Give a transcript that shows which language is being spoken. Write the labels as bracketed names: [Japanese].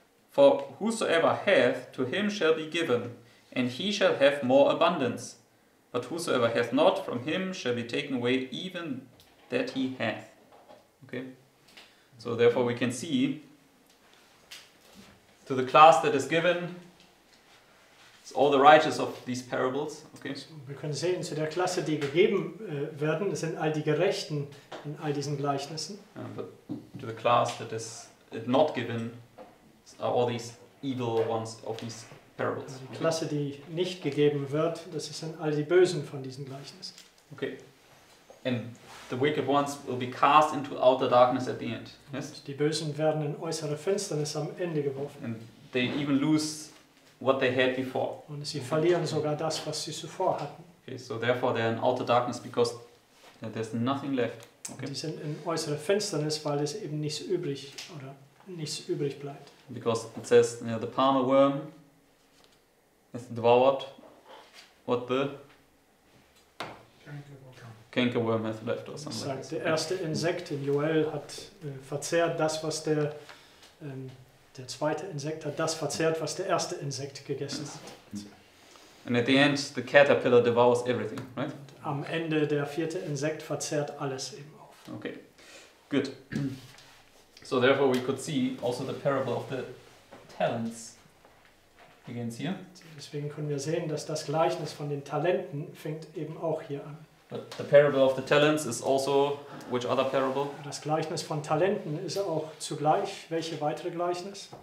[English] For whosoever hath, to him shall be given, and he shall have more abundance. But whosoever hath not, from him shall be taken away even that he hath. Okay? So therefore we can see, to the class that is given, it's all the writers of these parables. Okay. [German] Wir können sehen, zu der Klasse, die gegeben werden, sind all die Gerechten in all diesen Gleichnissen. [English] But to the class that is not given, all these evil ones of these parables. [German] Die Klasse, die nicht gegeben wird, das sind all die Bösen von diesen Gleichnissen. [English] Okay. And the wicked ones will be cast into outer darkness at the end. Yes? [German] Die Bösen werden in äußere Finsternis am Ende geworfen. [English] And they even lose what they had before. [German] Und sie verlieren sogar das, was sie zuvor hatten. [English] Okay, so therefore they're in outer darkness because there's nothing left. Okay. [German] Die sind in äußere Finsternis, weil es eben nichts übrig oder nichts übrig bleibt. [English] Because it says, you know, the palmer worm has devoured what the canker worm has left, or something. [German] Sagt, der erste Insekt in Joel hat verzehrt das, was der der zweite Insekt hat das verzehrt, was der erste Insekt gegessen hat. [English] And at the end, the caterpillar devours everything, right? [German] Und am Ende der vierte Insekt verzehrt alles eben auf. [English] Okay, good. So therefore we could see also the parable of the talents begins here. [German] Deswegen können wir sehen, dass das Gleichnis von den Talenten fängt eben auch hier an. [English] But the parable of the talents is also which other parable? [German] Das Gleichnis von Talenten ist auch zugleich welche weitere Gleichnis?